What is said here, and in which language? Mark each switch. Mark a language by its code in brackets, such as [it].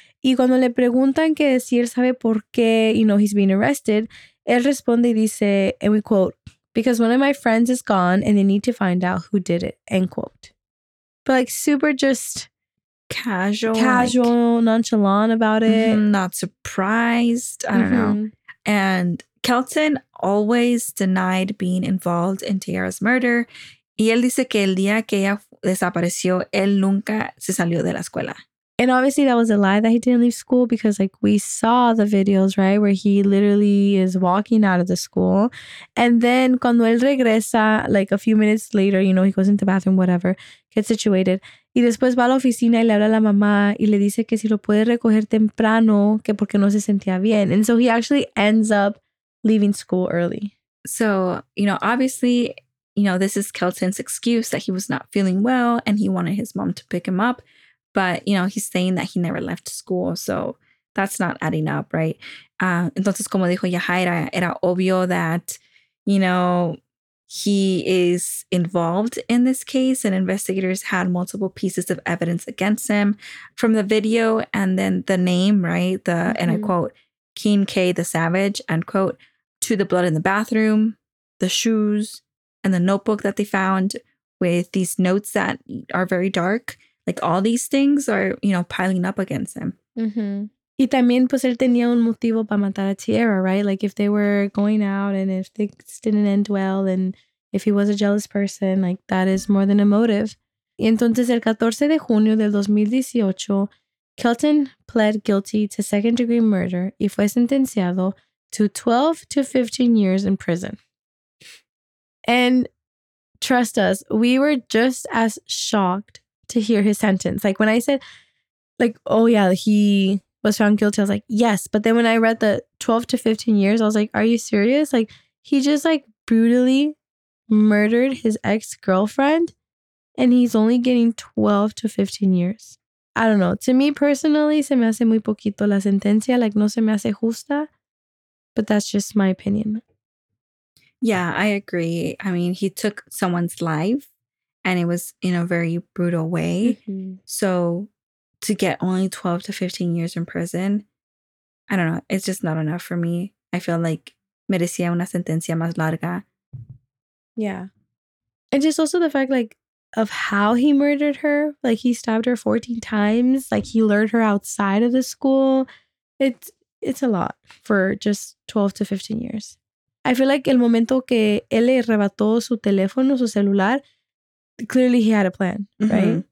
[es] Y cuando le preguntan que si él sabe por qué, [en] you know, he's being arrested, [es] él responde y dice, [en] and we quote, because one of my friends is gone and they need to find out who did it, end quote. But like super just casual, like, nonchalant about it. Mm-hmm, not surprised. I don't know. And Kelton always denied being involved in Tierra's murder. [es] Y él dice que el día que ella desapareció, él nunca se salió de la escuela. [en] And obviously that was a lie that he didn't leave school because like we saw the videos, right? Where he literally is walking out of the school. And then [es] cuando él regresa, [en] like a few minutes later, you know, he goes into the bathroom, whatever, gets situated. [es] Y después va a la oficina y le habla a la mamá y le dice que si lo puede recoger temprano, que porque no se sentía bien. [en] And so he actually ends up leaving school early. So, you know, obviously, you know, this is Kelton's excuse that he was not feeling well and he wanted his mom to pick him up. But, you know, he's saying that he never left school. So that's not adding up, right? [es] Entonces, como dijo Yahaira, era obvio [en] that, you know, he is involved in this case and investigators had multiple pieces of evidence against him from the video and then the name, right? The, mm-hmm. and I quote, Keen K the Savage, end quote, to the blood in the bathroom, the shoes, and the notebook that they found with these notes that are very dark. Like all these things are, you know, piling up against him. [es] Mm-hmm. Y también, pues, él tenía un motivo para matar a Tierra, right? [en] Like if they were going out and if things didn't end well and if he was a jealous person, like that is more than a motive. [es] Y entonces, el 14 de junio del 2018, [en] Kelton pled guilty to second-degree murder [es] y fue sentenciado [en] to 12 to 15 years in prison. And trust us, we were just as shocked to hear his sentence. Like when I said, like, oh yeah, he was found guilty, I was like, yes. But then when I read the 12 to 15 years, I was like, are you serious? Like he just like brutally murdered his ex-girlfriend and he's only getting 12 to 15 years. I don't know. To me personally, [es] se me hace muy poquito la sentencia. [en] Like [es] no se me hace justa, [en] but that's just my opinion. Yeah, I agree. I mean, he took someone's life. And it was in a very brutal way. Mm-hmm. So to get only 12 to 15 years in prison, I don't know. It's just not enough for me. I feel like [es] merecía una sentencia más larga. [en] Yeah. And just also the fact, like, of how he murdered her. Like, he stabbed her 14 times. Like, he lured her outside of the school. It's a lot for just 12 to 15 years. I feel like [es] el momento que él le arrebató su teléfono, su celular, [en] clearly he had a plan, right? [es] Mm-hmm.